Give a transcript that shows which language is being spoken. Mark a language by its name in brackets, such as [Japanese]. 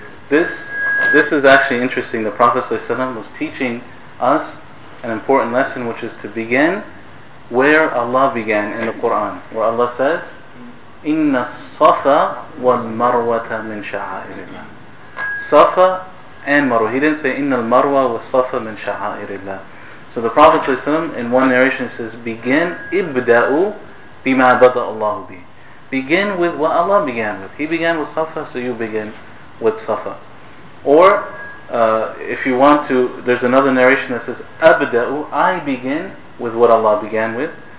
[English] This is actually interesting. The Prophet ﷺ was teaching us an important lesson, which is to begin where Allah began in the Quran, where Allah says, [Arabic] إِنَّ الصَّفَ وَالْمَرْوَةَ مِنْ شَعَائِرِ اللَّهِ. [English] Safa and Marwa. He didn't say [Arabic] إِنَّ الْمَرْوَى وَالصَّفَ مِنْ شَعَائِرِ اللَّهِ. [English] So the Prophet ﷺ, in one narration, says, begin, [Arabic] ابْدَأُوا بِمَا بَدَأَ اللَّهُ بِهِ. [English] Begin with what Allah began with. He began with Safa, so you begin with Safa. Or, if you want to, there's another narration that says, أَبْدَأُوا, I begin with what Allah began with.